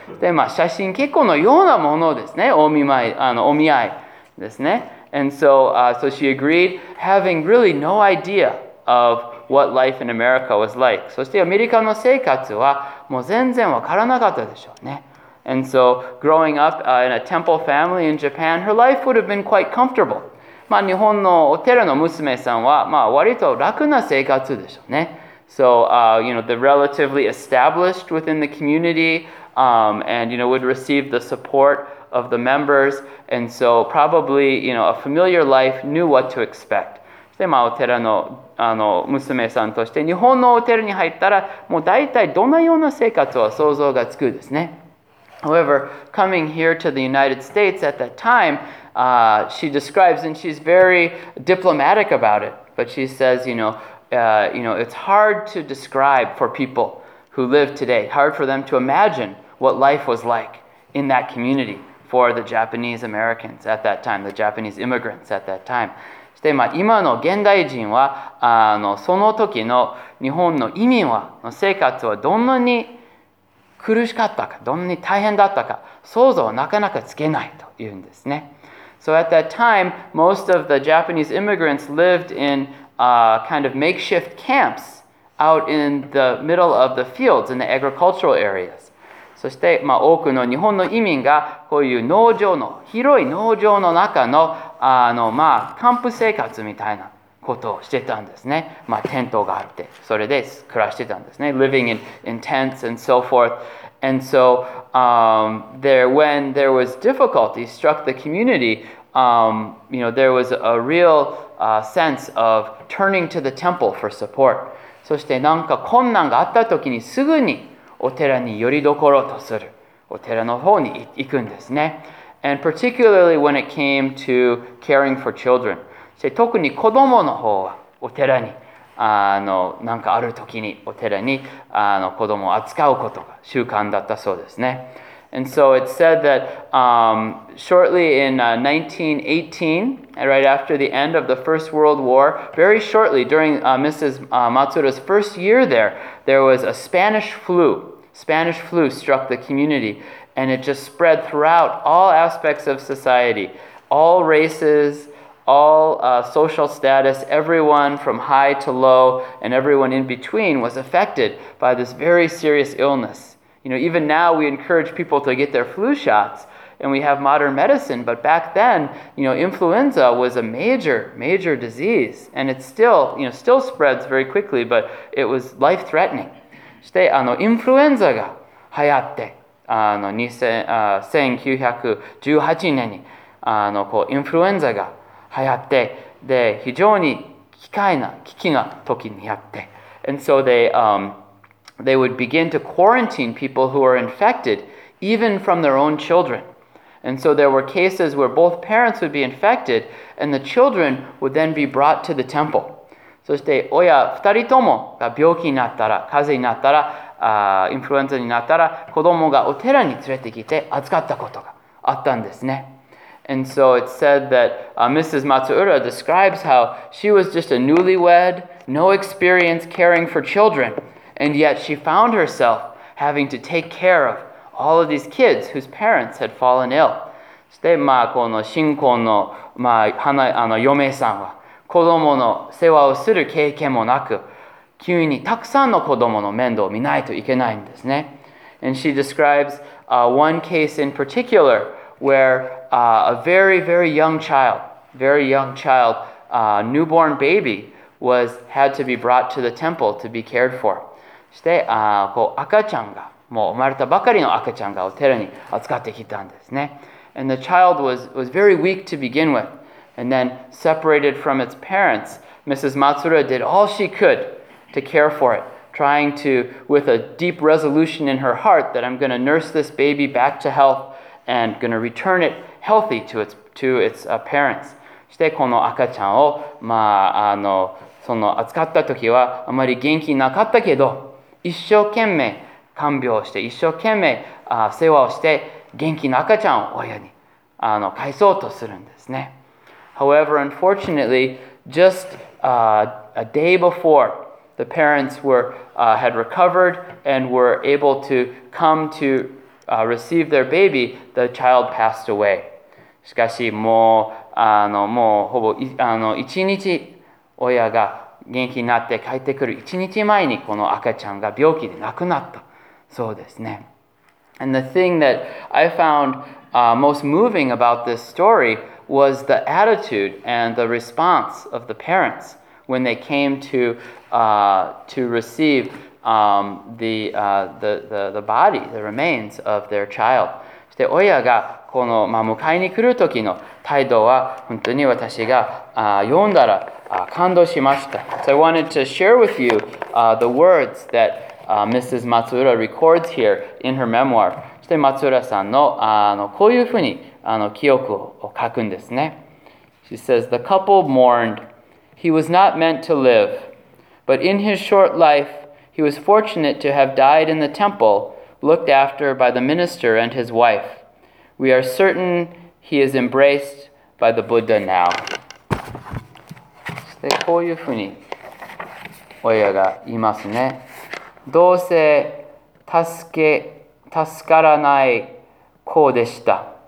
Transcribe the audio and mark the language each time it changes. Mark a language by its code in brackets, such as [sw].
[ja] で、まあ、写真結婚のようなものですね。お見合い。ですね、 [en] and so, so she agreed, having really no idea of what life in America was like. [ja] そしてアメリカの生活はもう全然わからなかったでしょうね。 [en] And so growing up in a temple family in Japan, her life would have been quite comfortable. [ja] まあ日本のお寺の娘さんはまあ割と楽な生活でしょうね。 [en] So, you know, the relatively established within the community, and, you know, would receive the support of the members, and so probably, you know, a familiar life knew what to expect. [ja] そして、まあ、お寺の、娘さんとして、日本のお寺に入ったら、もう大体どんなような生活は想像がつくですね。 [en] However, coming here to the United States at that time, she describes, and she's very diplomatic about it, but she says, you know, it's hard to describe for people who live today, hard for them to imagine what life was like in that community for the Japanese Americans at that time, the Japanese immigrants at that time. [ja] そして、まあ、今の現代人はその時の日本の移民はの生活はどんなに苦しかったか、どんなに大変だったか、想像はなかなかつけないというんですね。 [en] So at that time, most of the Japanese immigrants lived in kind of makeshift camps out in the middle of the fields in the agricultural areas. [ja] そして、まあ、多くの日本の移民がこういう農場の、広い農場の中の、まあ、キャンプ生活みたいなことをしてたんですね。まあ、テントがあって、それで暮らしてたんですね。 [en] Living in tents and so forth. And so, when there was difficulty struck the community, there was a real sense of turning to the temple for support. [ja] そしてなんか困難があったときにすぐにお寺に寄り所とする。お寺の方に行くんですね。 [en] And particularly when it came to caring for children. [ja] そして特に子供の方はお寺に。なんかあるときにお寺に子供を扱うことが習慣だったそうですね。 [en] And so it's said that shortly in 1918, right after the end of the First World War, very shortly during Mrs. Matsuda's first year there, there was a Spanish flu. Spanish flu struck the community, and it just spread throughout all aspects of society, all races. All social status, everyone from high to low, and everyone in between was affected by this very serious illness. You know, even now we encourage people to get their flu shots, and we have modern medicine, but back then, you know, influenza was a major, major disease, and it still, you know, still spreads very quickly, but it was life-threatening. [ja] そして、インフルエンザが流行って、1918年に、こう、インフルエンザが流行って、で、非常に危機な時にあって。 [en] And so they would begin to quarantine people who are infected, even from their own children. And so there were cases where both parents would be infected, and the children would then be brought to the temple. [ja] そして、親二人ともが病気になったら、風邪になったら、インフルエンザになったら、子供がお寺に連れてきて預かったことがあったんですね。 [en] And so it's said that Mrs. Matsuura describes how she was just a newlywed, no experience caring for children, and yet she found herself having to take care of all of these kids whose parents had fallen ill. [ja] そして、まあ、この新婚の、まあ、嫁さんは子供の世話をする経験もなく、急にたくさんの子供の面倒を見ないといけないんですね。 [en] And she describes one case in particular,where a very, very young child, newborn baby, had to be brought to the temple to be cared for. [ja] そして、こう赤ちゃんが、もう生まれたばかりの赤ちゃんがお寺に扱ってきたんですね。 [en] And the child was very weak to begin with, and then separated from its parents, Mrs. Matsuura did all she could to care for it, trying to, with a deep resolution in her heart, that I'm going to nurse this baby back to health,and going to return it healthy to its parents. [ja] そしてこの赤ちゃんを、まあ、その扱った時はあまり元気なかったけど、一生懸命看病して、一生懸命世話をして、元気な赤ちゃんを親に返そうとするんですね。 [en] However, unfortunately, just a day before, the parents had recovered and were able to come to... receive their baby, the child passed away. [ja] しかしもう、もうほぼ一日、親が元気になって帰ってくる一日前にこの赤ちゃんが病気で亡くなった。そうですね。 [en] And the thing that I found most moving about this story was the attitude and the response of the parents when they came to receive... the body, the remains of their child. [ja] そして親がこの、まあ、迎えに来る時の態度は本当に私が読んだら感動しました。 [en] So I wanted to share with you the words that Mrs. Matsuura records here in her memoir. [ja] そして Matsuura さんのこういうふうに記憶を書くんですね。 [en] She says, The couple mourned. He was not meant to live. But in his short life,He was fortunate to have died in the temple, looked after by the minister and his wife. We are certain he is embraced by the Buddha now. [ja] で、こういうふうに親が言いますね。どうせ助からない子でした。